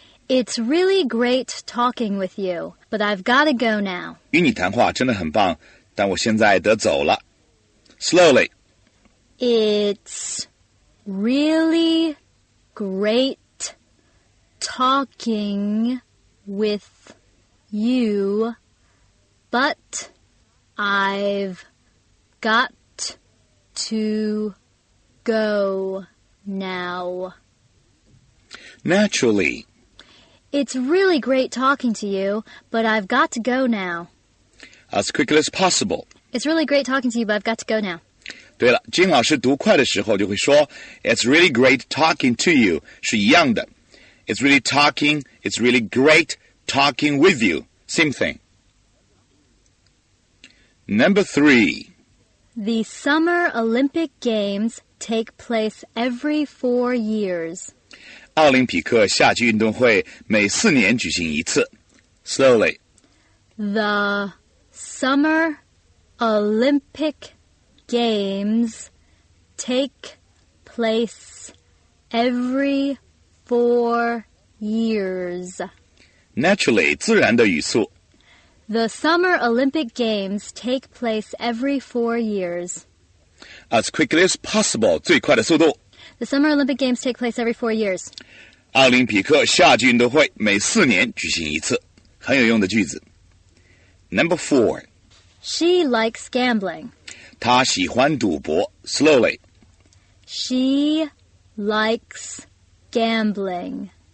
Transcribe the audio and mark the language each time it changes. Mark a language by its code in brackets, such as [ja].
[en] It's really great talking with you, but I've got to go now. [zh] 与你谈话真的很棒，但我现在得走了。 [en] Slowly. It's really great talking with you, but I've got to go now. Naturally. It's really great talking to you, but I've got to go now. As quickly as possible. It's really great talking to you, but I've got to go now. [zh] 对了，金老师读快的时候就会说 [en] It's really great talking to you [zh] 是一样的。 [en] It's really great talking with you. Same thing. Number 3. The Summer Olympic Games take place every 4 years. [zh] 奥林匹克夏季运动会每四年举行一次。 [en] Slowly. The Summer Olympic Games take place every 4 years. Naturally, [zh] 自然的语速。 [en] The Summer Olympic Games take place every 4 years. As quickly as possible, [zh] 最快的速度。 [en] The Summer Olympic Games take place every 4 years. [zh] 奥林匹克夏季运动会每四年举行一次，很有用的句子。 [en] Number four. She likes gambling. [zh] 她喜欢赌博。 [en] Slowly. She likes gambling.